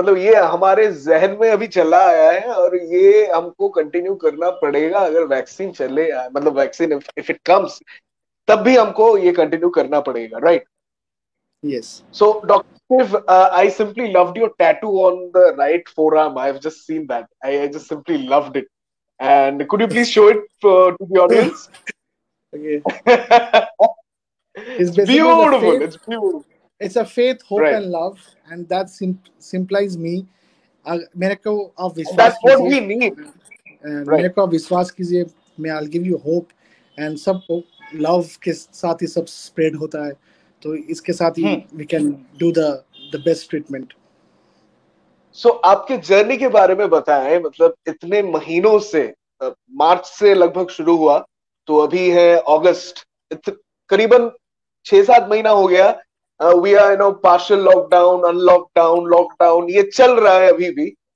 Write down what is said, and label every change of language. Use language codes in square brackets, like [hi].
[hi] मतलब ये हमारे जहन में अभी चला आया है और ये हमको continue करना पड़ेगा, अगर vaccine चले, मतलब [en] vaccine if it comes, [hi] तब भी हमको ये continue करना पड़ेगा, right? [en] Yes. So, Dr. Shiv, I simply loved your tattoo on the right forearm. I have just seen that. I just simply loved it. And could you please show it to the audience? Okay. It's beautiful. It's a faith, hope, right. And love, and that simplifies me. America of Vishwas. That's what we need. America of Vishwas kijiye. I'll give you hope, and [hi] sab love ke saath hi sab spread hota hai. [en] So [hi] तो इसके साथ ही [en] We can do the best treatment. [hi] सो आपके journey के बारे में बताएं, मतलब इतने महीनों से, मार्च से लगभग शुरू हुआ तो अभी है अगस्त, करीबन 6-7 महीना हो गया, [en] we are you know partial lockdown, [hi] unlockdown, lockdown ये चल रहा है अभी भी।